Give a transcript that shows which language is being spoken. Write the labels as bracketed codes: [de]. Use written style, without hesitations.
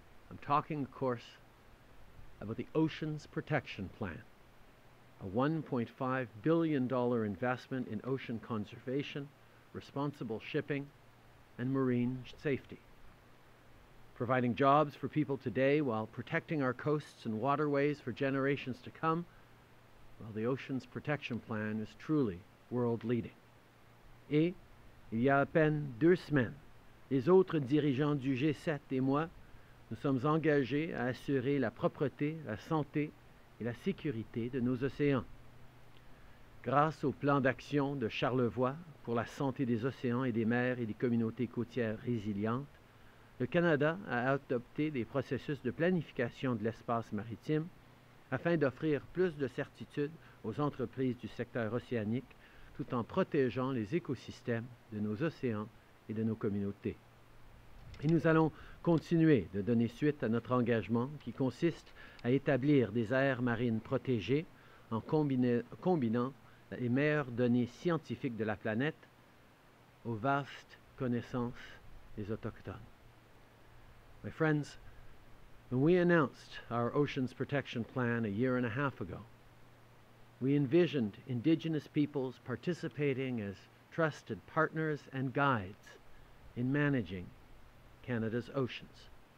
[en] I'm talking, of course, about the Oceans Protection Plan, a $1.5 billion investment in ocean conservation, responsible shipping, and marine safety. Providing jobs for people today while protecting our coasts and waterways for generations to come, well, the Oceans Protection Plan is truly world-leading. [fr] Et, il y a à peine deux semaines, les autres dirigeants du G7 et moi nous sommes engagés à assurer la propreté, la santé et la sécurité de nos océans. Grâce au plan d'action de Charlevoix pour la santé des océans et des mers et des communautés côtières résilientes, le Canada a adopté des processus de planification de l'espace maritime afin d'offrir plus de certitude aux entreprises du secteur océanique tout en protégeant les écosystèmes de nos océans et de nos communautés. Et nous allons continuer de donner suite à notre engagement qui consiste à établir des aires marines protégées en combinant les meilleures données scientifiques de la planète aux vastes connaissances des Autochtones. [en] My friends, when we announced our Oceans Protection Plan a year and a half ago, we envisioned Indigenous peoples participating as trusted partners and guides in managing Canada's oceans.